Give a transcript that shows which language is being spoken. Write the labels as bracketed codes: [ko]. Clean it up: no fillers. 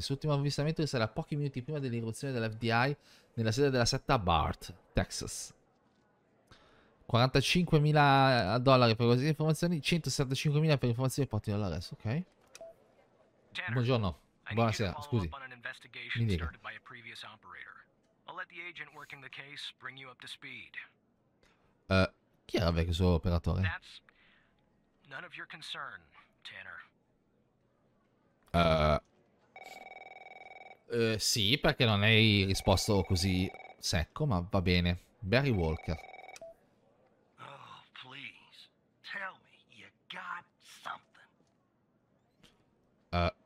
[it] Sull'ultimo avvistamento risale a pochi minuti prima dell'irruzione dell'FBI nella sede della setta Bart, Texas. $45,000 per queste informazioni, $175,000 per informazioni e porti all'arresto, ok. [en] Tanner, [it] buongiorno, buonasera, scusi. Mi dica. [en] By a previous operator. I'll let the agent working the case bring you up to speed. [it] Chi era il suo operatore? [en] That's... None of your concern, Tanner. [it] Sì, perché non hai risposto così secco, ma va bene. [en] Barry Walker. Oh, please. Tell me you got something.